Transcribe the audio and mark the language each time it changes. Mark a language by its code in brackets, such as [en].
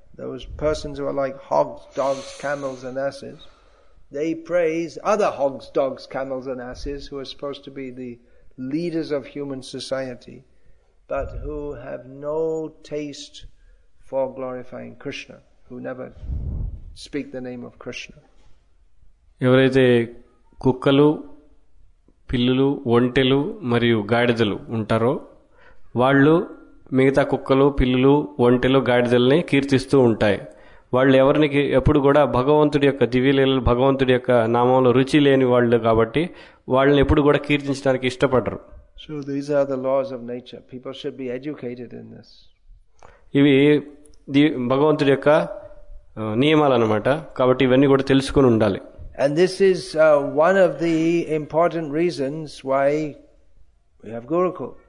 [en] Those persons who are like hogs, dogs, camels and asses, they praise other hogs, dogs, camels and asses who are supposed to be the leaders of human society but who have no taste for glorifying Krishna, who never speak the name of Krishna. [te] Evaraithe kukkalu, పిల్లులు, ఒంటెలు మరియు గాడిదలు ఉంటారో వాళ్ళు మిగతా కుక్కలు, పిల్లులు, ఒంటెలు, గాడిదల్ని కీర్తిస్తూ ఉంటాయి. వాళ్ళు ఎవరికి ఎప్పుడు కూడా భగవంతుడి యొక్క దివ్యలీలలు, భగవంతుడి యొక్క నామంలో రుచి లేని వాళ్ళు కాబట్టి వాళ్ళని ఎప్పుడు కూడా కీర్తించడానికి ఇష్టపడరు. [en] So these are the laws of nature. People should be educated in this. [te] ఇవి భగవంతుడి యొక్క నియమాలు అన్నమాట, కాబట్టి ఇవన్నీ కూడా తెలుసుకుని ఉండాలి. [en] And this is one of the important reasons why we have Gurukul.